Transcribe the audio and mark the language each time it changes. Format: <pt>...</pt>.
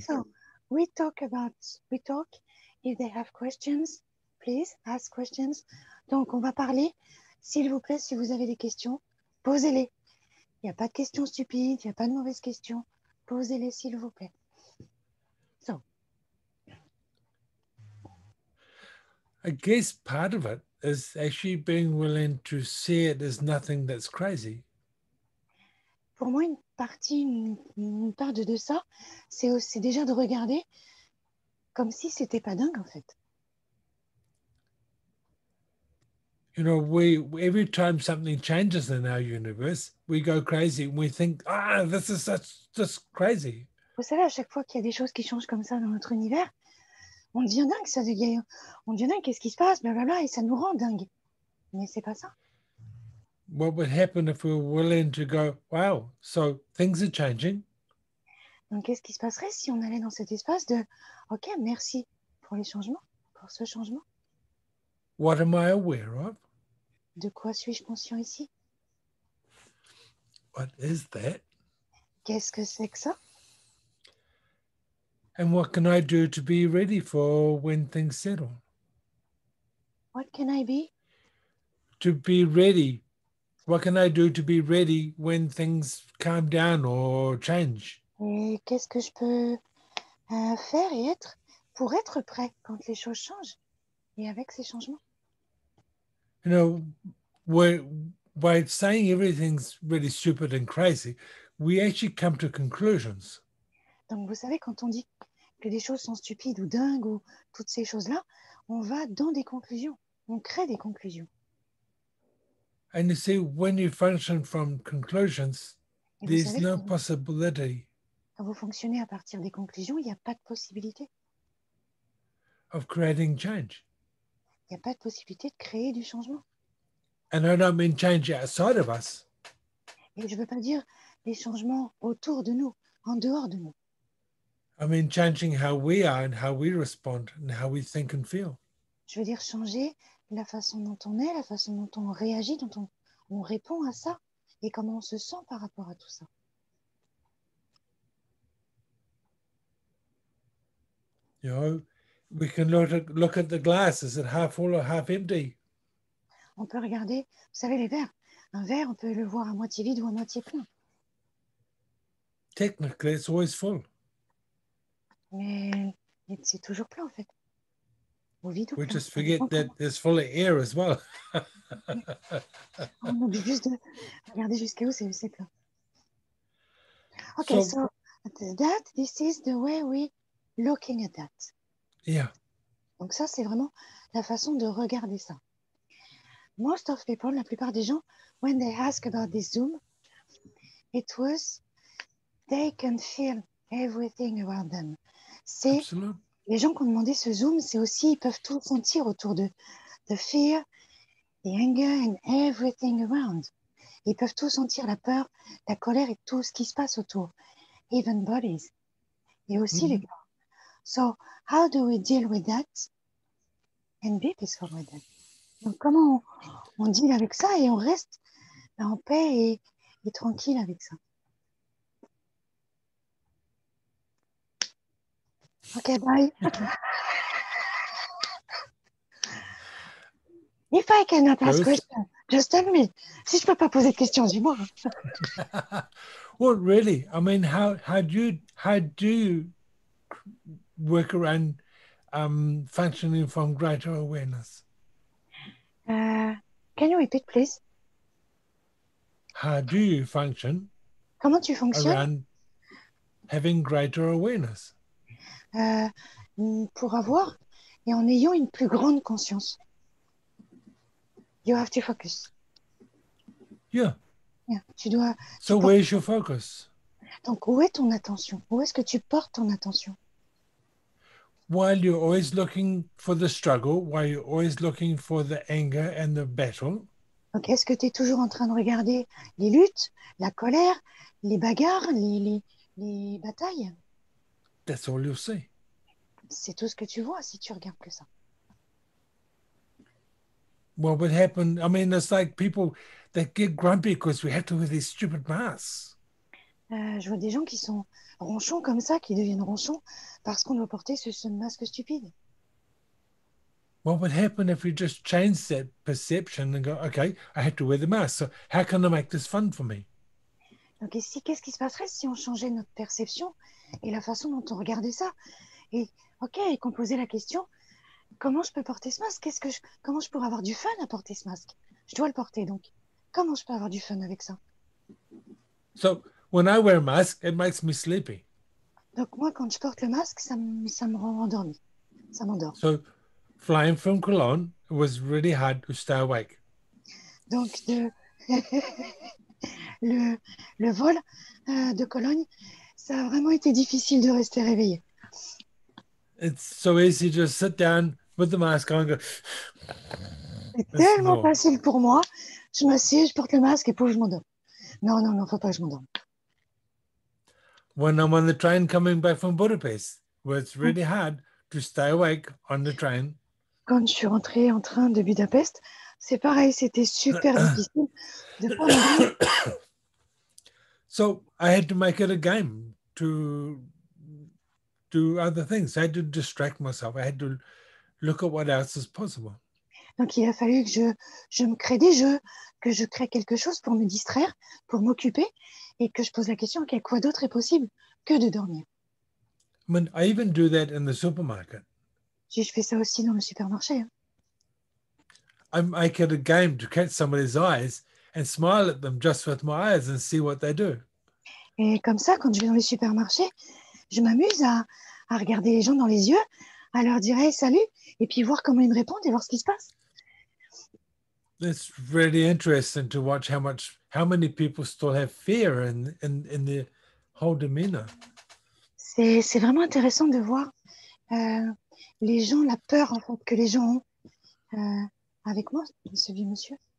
<en>So we talk about, we talk, if they have questions, please ask questions.</en> <fr>Donc, on va parler. S'il vous plaît, si vous avez des questions, posez-les. Il n'y a pas de questions stupides, il n'y a pas de mauvaises questions. Posez-les, s'il vous plaît. So.</fr> <en>I guess part of it is actually being willing to see it as nothing that's crazy.</en> <fr>Pour moi, une partie, une part de ça, c'est aussi déjà de regarder comme si ce n'était pas dingue, en fait.</fr> <en>You know, we every time something changes in our universe, we go crazy and we think, ah, this is such just crazy.</en> <fr>Vous savez, à chaque fois qu'il y a des choses qui changent comme ça dans notre univers, on devient dingue, ça devient, on devient dingue, qu'est-ce qui se passe, blablabla, et ça nous rend dingue. Mais c'est pas ça.</fr> <en>What would happen if we were willing to go, wow, so things are changing?</en> <fr>Donc, qu'est-ce qui se passerait si on allait dans cet espace de, ok, merci pour les changements, pour ce changement.</fr> <en>What am I aware of?</en> <fr>De quoi suis-je conscient ici?</fr> <en>What is that?</en> <fr>Qu'est-ce que c'est que ça?</fr> <en>And what can I do to be ready for when things settle? What can I be? To be ready. What can I do to be ready when things calm down or change?</en> <fr>Et qu'est-ce que je peux faire et être pour être prêt quand les choses changent et avec ces changements?</fr> <en>You know, by saying everything's really stupid and crazy, we actually come to conclusions.</en> <fr>Donc vous savez, quand on dit que des choses sont stupides ou dingues ou toutes ces choses-là, on va dans des conclusions, on crée des conclusions.</fr> <en>And you see, when you function from conclusions, there's</en> <fr>savez,</fr> <en>no possibility.</en> <fr>Quand vous fonctionnez à partir des conclusions, il n'y a pas de possibilité.</fr> <en>Of creating change.</en> <fr>Il n'y a pas de possibilité de créer du changement.</fr> <en>And I don't mean change outside of us.</en> <fr>Et je ne veux pas dire les changements autour de nous, en dehors de nous.</fr> <en>I mean changing how we are and how we respond and how we think and feel.</en> <fr>Je veux dire changer la façon dont on est, la façon dont on réagit, dont on répond à ça et comment on se sent par rapport à tout ça.</fr> <en>You know, we can look at the glass. Is it half full or half empty?</en> <fr>on peut regarder, vous savez, les verres. Un verre, on peut le voir à moitié vide ou à moitié plein.</fr> <en>Technically, it's always full.</en> <fr>Mais c'est toujours plein, en fait. Ou vide ou</fr> <en>we</en> <fr>plein.</fr> <en>Just forget that it's full of air as well.</en> <fr>On oublie juste de regarder jusqu'à où c'est plein.</fr> <en>Okay, so that this is the way we looking at that. Yeah.</en> <fr>Donc ça, c'est vraiment la façon de regarder ça.</fr> <en>Most of people,</en> <fr>la plupart des gens,</fr> <en>when they ask about this Zoom, it was they can feel everything around them.</en> <fr>C'est les gens qui ont demandé ce Zoom, c'est aussi ils peuvent tout sentir autour d'eux.</fr> <en>The fear, the anger and everything around.</en> <fr>Ils peuvent tout sentir, la peur, la colère et tout ce qui se passe autour.</fr> <en>Even bodies.</en> <fr>Et aussi les corps.</fr> <en>So, how do we deal with that and be peaceful with that?</en> <fr>Donc, comment on deal avec ça et on reste en paix et tranquille avec ça?</fr> <en>Ok, bye. If I cannot ask questions, just tell me.</en> <fr>Si je ne peux pas poser de questions, dis-moi.</fr> <en>Well, really, I mean, how do you work around functioning from greater awareness? Can you repeat, please? How do you function?</en> <fr>Comment tu fonctionnes?</fr> <en>Around having greater awareness.</en> <fr>Pour avoir et en ayant une plus grande conscience.</fr> <en>You have to focus. Yeah.</en> <fr>Yeah. Tu dois.</fr> <en>So where is your focus?</en> <fr>Donc où est ton attention? Où est-ce que tu portes ton attention?</fr> <en>While you're always looking for the struggle, while you're always looking for the anger and the battle.</en> <fr>Donc est-ce que tu es toujours en train de regarder les luttes, la colère, les bagarres, les batailles?</fr> <en>That's all you see.</en> <fr>C'est tout ce que tu vois si tu regardes que ça.</fr> <en>Well, what happened? I mean, it's like people that get grumpy because we have to wear these stupid masks.</en> <fr>Je vois des gens qui sont ronchons comme ça, qui deviennent ronchons parce qu'on doit porter ce masque stupide.</fr> <en>What would happen if we just change that perception and go, okay, I have to wear the mask. So how can I make this fun for me?</en> <fr>Donc ici, qu'est-ce qui se passerait si on changeait notre perception et la façon dont on regardait ça? Et ok, et qu'on posait la question, comment je peux porter ce masque? Comment je pourrais avoir du fun à porter ce masque? Je dois le porter, donc comment je peux avoir du fun avec ça?</fr> <en>So when I wear a mask, it makes me sleepy.</en> <fr>Donc moi, quand je porte le masque, ça me rend endormi. Ça m'endort.</fr> <en>So flying from Cologne, it was really hard to stay awake.</en> <fr>Donc le vol de Cologne, ça a vraiment été difficile de rester réveillé.</fr> <en>It's so easy to just sit down with the mask on and go.</en> <fr>C'est tellement facile pour moi. Je m'assieds, je porte le masque et puis je m'endors. Non, faut pas que je m'endorme.</fr> <en>When I'm on the train coming back from Budapest, where it's really hard to stay awake on the train.</en> <fr>Quand je suis rentrée en train de Budapest, c'est pareil, c'était super difficile de prendre.</fr> <en>So I had to make it a game to do other things. I had to distract myself. I had to look at what else is possible.</en> <fr>Donc il a fallu que je me crée des jeux, que je crée quelque chose pour me distraire, pour m'occuper, et que je pose la question, okay, quoi d'autre est possible que de dormir?</fr> <en>I mean, I even do that in the supermarket.</en> <fr>Si je fais ça aussi dans le supermarché.</fr> <en>I make it a game to catch somebody's eyes and smile at them just with my eyes and see what they do.</en> <fr>Et comme ça, quand je vais dans le supermarché, je m'amuse à regarder les gens dans les yeux, à leur dire hey, salut, et puis voir comment ils me répondent et voir ce qui se passe.</fr> <en>It's really interesting to watch how many people still have fear in their whole demeanor.</en> <fr>C'est vraiment intéressant de voir les gens, la peur en fait, que les gens ont avec moi, ce vieux monsieur.</fr>